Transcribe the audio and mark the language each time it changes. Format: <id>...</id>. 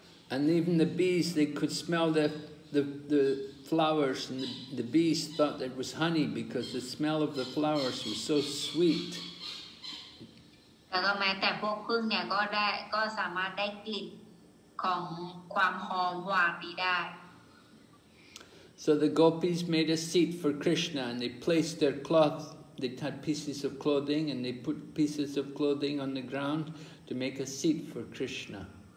<en>And even the bees they could smell the flowers and the bees thought it was honey because the smell of the flowers was so sweet</en> <th>แล้วก็แม้แต่พวกผึ้งเนี่ยก็สามารถได้กลิ่นของความหอมหวานนี้ได้</th> <en>So the gopis made a seat for Krishna and they placed their cloth, they had pieces of clothing and they put pieces of clothing on the ground to make a seat for Krishna.</en>